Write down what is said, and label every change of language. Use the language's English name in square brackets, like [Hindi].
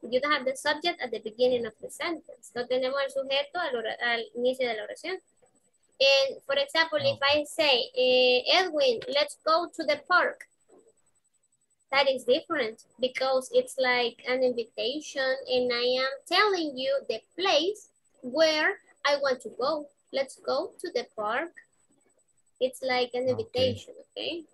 [English] You don't have the subject at the beginning of the sentence. [Spanish] No tenemos el sujeto al inicio de la oración. [English] And for example, if I say, Edwin, let's go to the park. That is different because it's like an invitation and I am telling you the place where I want to go. Let's go to the park. It's like an invitation, okay?